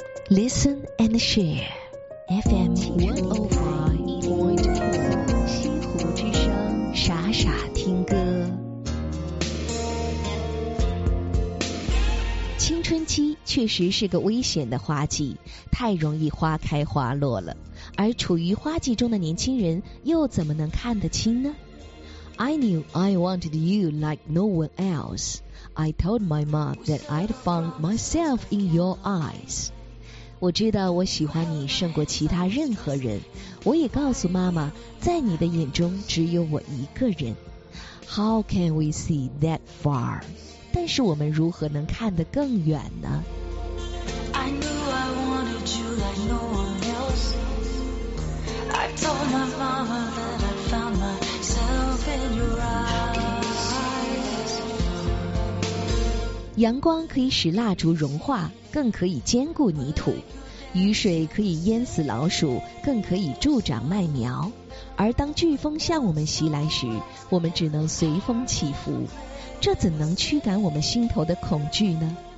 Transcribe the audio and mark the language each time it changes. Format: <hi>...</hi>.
<en>Listen and share</en> <zh>FM 105.4西湖之声，傻傻听歌。青春期确实是个危险的花季，太容易花开花落了，而处于花季中的年轻人又怎么能看得清呢？</zh> <en>I knew I wanted you like no one else. I told my mom that I'd found myself in your eyes.</en> <zh>我知道我喜欢你胜过其他任何人，我也告诉妈妈，在你的眼中只有我一个人。</zh> <en>How can we see that far?</en> <zh>但是我们如何能看得更远呢？</zh> <en>I knew I wanted you like no one else. I told my mama that I found myself in your eyes.</en> <zh>阳光可以使蜡烛融化，更可以坚固泥土，雨水可以淹死老鼠，更可以助长麦苗，而当飓风向我们袭来时，我们只能随风起伏，这怎能驱赶我们心头的恐惧呢？</zh>